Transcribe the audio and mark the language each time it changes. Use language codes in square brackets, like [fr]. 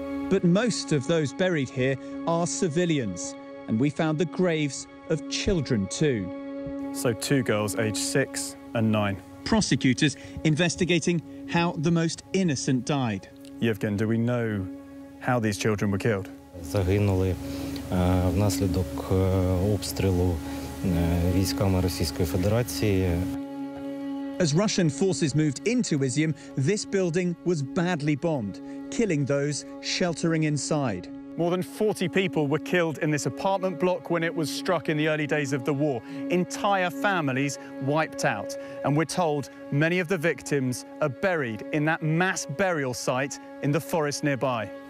[en] But most of those buried here are civilians, and we found the graves of children too. So two girls aged 6 and 9. Prosecutors investigating how the most innocent died. Yevgen, do we know how these children were killed? [uk] Загинули внаслідок обстрілу військами Російської Федерації. [en] As Russian forces moved into Izium, this building was badly bombed, killing those sheltering inside. More than 40 people were killed in this apartment block when it was struck in the early days of the war. Entire families wiped out. And we're told many of the victims are buried in that mass burial site in the forest nearby.